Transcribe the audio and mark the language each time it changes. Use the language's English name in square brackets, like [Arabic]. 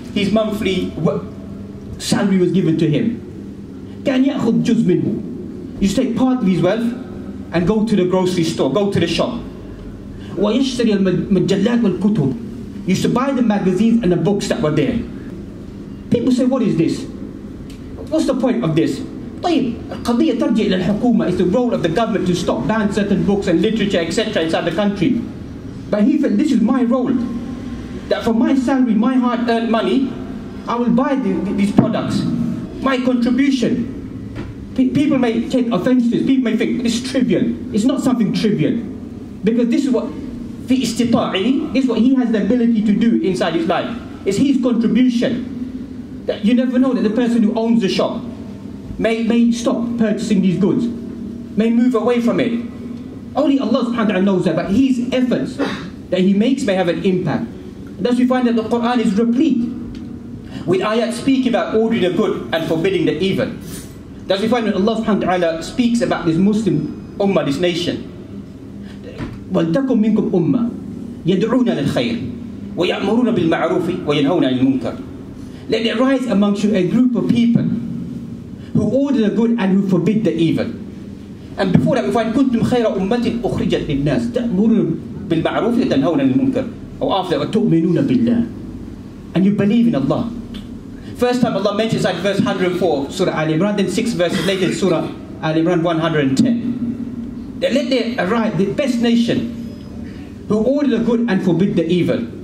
[English] his monthly salary was given to him. [Arabic] كان يأخذ جزء منه. [English] You take part of his wealth and go to the grocery store, go to the shop. [Arabic] ويشتري المجلات والكتب. [English] You used to buy the magazines and the books that were there. People say, what is this? What's the point of this? [Arabic] طيب القضية ترجع إلى الحكومة. [English] It's the role of the government to stop ban certain books and literature, etc. inside the country. But he felt, this is my role. That from my salary, my hard-earned money, I will buy these products. My contribution. People may take offense to this. People may think, it's trivial. It's not something trivial. Because this is what, [Arabic] في استطاعه, [English] this is what he has the ability to do inside his life. It's his contribution. That you never know that the person who owns the shop may stop purchasing these goods, may move away from it. Only Allah subhanahu wa ta'ala knows that, but his efforts that he makes may have an impact. And thus we find that the Quran is replete with ayat speaking about ordering the good and forbidding the evil. Thus we find that Allah subhanahu wa ta'ala speaks about this Muslim ummah, this nation. [Arabic] وَلْتَكُمْ مِنْكُمْ أُمَّةٌ يَدْعُونَ لِلْخَيْرِ وَيَأْمُرُونَ بِالْمَعْرُوفِ وَيَنْهَوْنَ عَنِ الْمُنْكَرِ. [English] Let it rise amongst you a group of people who order the good and who forbid the evil. And before that, we find [Arabic] كُنْتُمْ خَيْرَ أُمَّةٍ أُخْرِجَتْ لِلنَّاسِ تَأْمُرُونَ بِالْمَعْرُوفِ وَتَنْهَوْنَ عَنِ الْمُنْكَرِ. [English] Or after that, [Arabic] وَتُؤْمِنُونَ بِاللَّهِ. [English] And you believe in Allah. First time Allah mentions like verse 104, Surah Al Imran, then 6 verses later, Surah Al Imran 110. That let there arise the best nation who order the good and forbid the evil.